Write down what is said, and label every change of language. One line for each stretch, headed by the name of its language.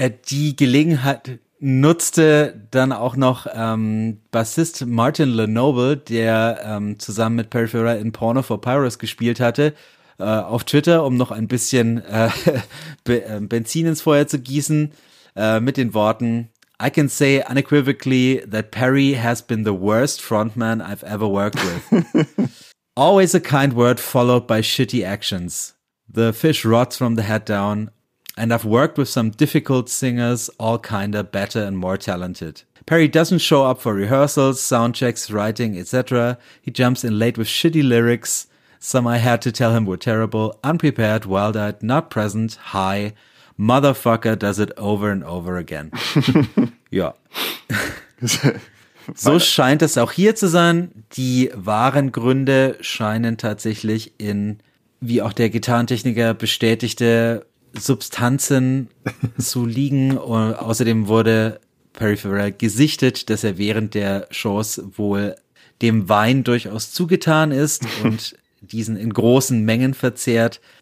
German: Die Gelegenheit nutzte dann auch noch Bassist Martin Lenoble, der zusammen mit Perry Farrell in Porno for Pyros gespielt hatte, auf Twitter, um noch ein bisschen Benzin ins Feuer zu gießen, mit den Worten:
English: I can say unequivocally that Perry has been the worst frontman I've ever worked with. Always a kind word followed by shitty actions. The fish rots from the head down. And I've worked with some difficult singers, all kinda better and more talented. Perry doesn't show up for rehearsals, sound checks, writing, etc. He jumps in late with shitty lyrics. Some I had to tell him were terrible, unprepared, wild-eyed, not present, high. Motherfucker does it over and over again.
German: Ja. So scheint es auch hier zu sein. Die wahren Gründe scheinen tatsächlich in, wie auch der Gitarrentechniker bestätigte, Substanzen zu liegen. Und außerdem wurde Perry Farrell gesichtet, dass er während der Shows wohl dem Wein durchaus zugetan ist und diesen in großen Mengen verzehrt.